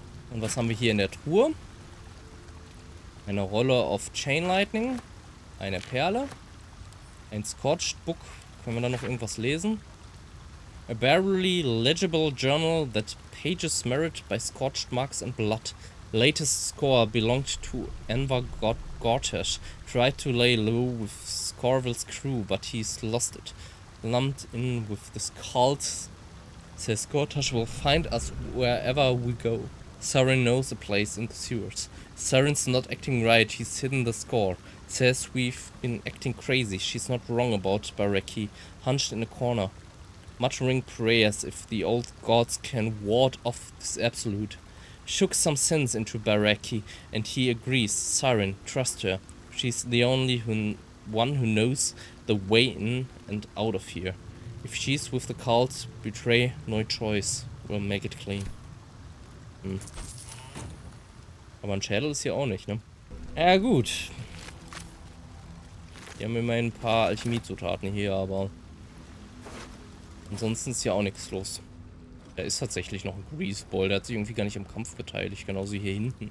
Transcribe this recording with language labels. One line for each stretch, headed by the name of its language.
German: Und was haben wir hier in der Truhe? Eine Rolle of Chain Lightning. Eine Perle. Ein Scorched Book. Können wir da noch irgendwas lesen?
English: A barely legible journal that pages smeared by scorched marks and blood. Latest score belonged to Enver Gortesh. Tried to lay low with Scorville's crew, but he's lost it. Lumped in with the cult. Says Gortesh will find us wherever we go. Saren knows a place in the sewers. Saren's not acting right, he's hidden the score. Says we've been acting crazy, she's not wrong about Bareki. Hunched in a corner. Muttering prayers if the old gods can ward off this absolute. Shook some sense into Bareki, and he agrees. Saren, trust her. She's the only one who knows the way in and out of here. If she's with the cult, betray, no choice. We'll make it clean.
German: Aber ein Schädel ist hier auch nicht, ne? Ja, gut. Wir haben immerhin ein paar Alchemiezutaten hier, aber ansonsten ist hier auch nichts los. Da ist tatsächlich noch ein Greaseball. Der hat sich irgendwie gar nicht am Kampf beteiligt. Genauso hier hinten.